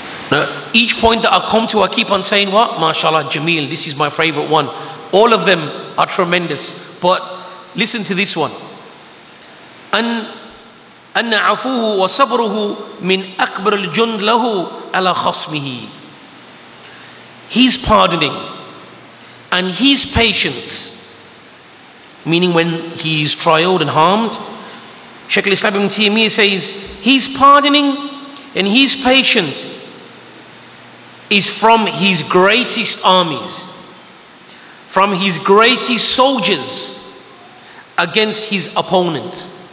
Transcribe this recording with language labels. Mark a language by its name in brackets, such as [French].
[English] Now, each point that I come to, I keep on saying, what? MashaAllah, Jameel, this is my favorite one. All of them are tremendous. But listen to this one. [Arabic] أن عفوه وصبره من أكبر الجند له على خصمه. [English] His pardoning and his patience, meaning when he is trialed and harmed, Shaykh al-Islam ibn Taymiyyah says, his pardoning and his patience is from his greatest armies, from his greatest soldiers against his opponents.